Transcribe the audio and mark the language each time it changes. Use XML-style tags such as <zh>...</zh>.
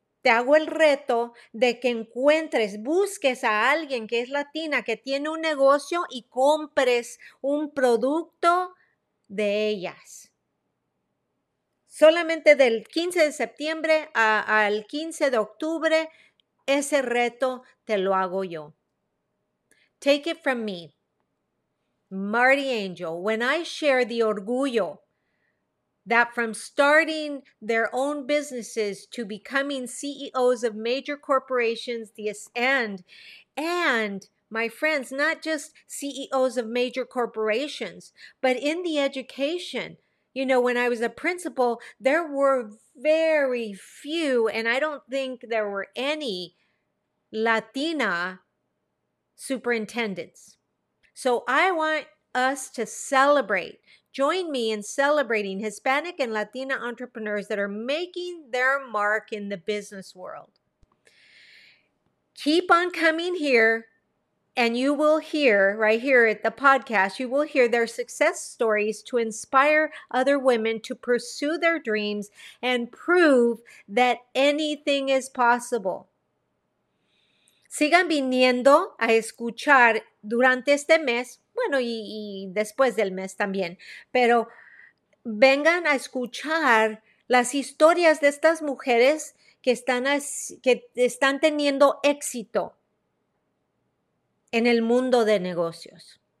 <es>Te hago el reto de que encuentres, busques a alguien que es latina, que tiene un negocio y compres un producto de ellas. Solamente del 15 de septiembre al 15 de octubre, ese reto te lo hago yo.</es> <en>Take it from me, Marty Angel, when I share the orgullo that from starting their own businesses to becoming CEOs of major corporations, and my friends, not just CEOs of major corporations, but in the education. You know, when I was a principal, there were very few, and I don't think there were any Latina superintendents. So I want us to celebrate. Join me in celebrating Hispanic and Latina entrepreneurs that are making their mark in the business world. Keep on coming here. And you will hear, right here at the podcast, you will hear their success stories to inspire other women to pursue their dreams and prove that anything is possible.</en> <es>Sigan viniendo a escuchar durante este mes, bueno, y después del mes también, pero vengan a escuchar las historias de estas mujeres que están teniendo éxito en el mundo de negocios.</es>